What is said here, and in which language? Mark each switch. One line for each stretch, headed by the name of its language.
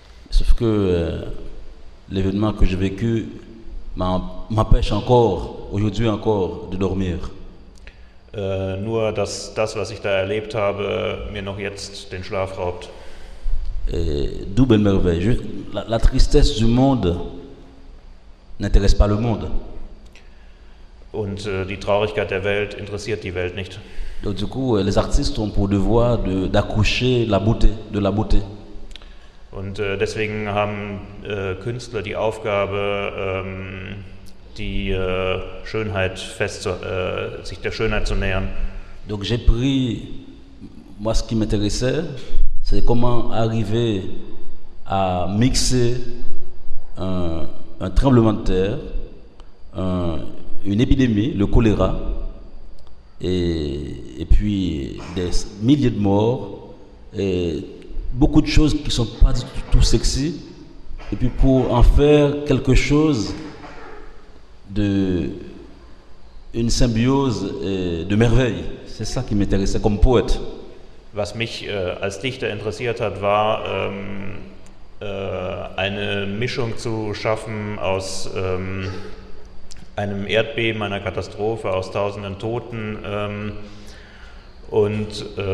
French: Sauf que l'événement que j'ai vécu m'empêche encore, aujourd'hui encore, de dormir.
German: Nur dass das, was ich da erlebt habe, mir noch jetzt den Schlaf raubt.
French: Double merveille. La tristesse du monde n'intéresse pas le monde.
German: Und die Traurigkeit der Welt interessiert die Welt nicht.
French: Donc, du coup, les artistes ont pour devoir d'accoucher de la beauté.
German: Und deswegen haben Künstler die Aufgabe, sich der Schönheit zu nähern.
French: Donc j'ai pris moi ce qui m'intéressait. C'est comment arriver à mixer un tremblement de terre, une épidémie, le choléra, et puis des milliers de morts, et beaucoup de choses qui ne sont pas du tout sexy, et puis pour en faire quelque chose d'une symbiose et de merveille. C'est ça qui m'intéressait comme poète.
German: Was mich als Dichter interessiert hat, war eine Mischung zu schaffen aus einem Erdbeben, einer Katastrophe, aus tausenden Toten und